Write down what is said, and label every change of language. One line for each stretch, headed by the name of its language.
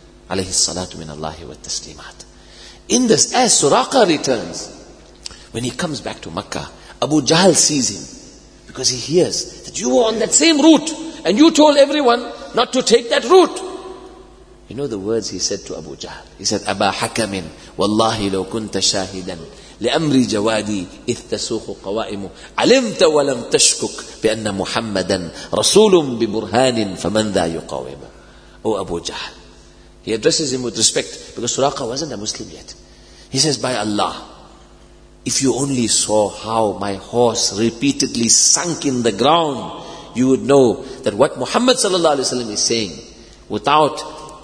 Arabic: Alayhi salatu min Allahi wa taslimat.
English: In this, as Suraqa returns, when he comes back to Makkah, Abu Jahl sees him because he hears that you were on that same route and you told everyone not to take that route. You know the words he said to Abu Jahl. He said,
Arabic: "Aba hakamin, wallahi law kunta shahidan لأمر جوادي إذ تسوخ قوائم علمت ولم تشكك بأن محمدا رسول ببرهان فمن ذا يقاوم."
English: Oh Abu Jahl, he addresses him with respect because Suraqa wasn't a Muslim yet. He says, "By Allah, if you only saw how my horse repeatedly sunk in the ground, you would know that what Muhammad sallallahu alaihi wasallam is saying without